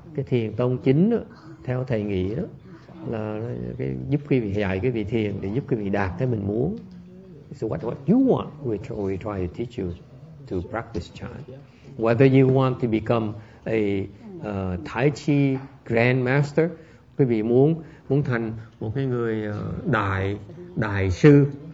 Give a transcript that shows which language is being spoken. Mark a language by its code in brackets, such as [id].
[vi] Cái thiền tông chính đó, theo thầy nghĩ đó, là cái giúp quý vị dạy quý vị thiền để giúp quý vị đạt cái mình muốn. [en] So what you want, we try to teach you to practice chant. Whether you want to become a Tai Chi grandmaster, [vi] quý vị muốn thành một cái người đại sư.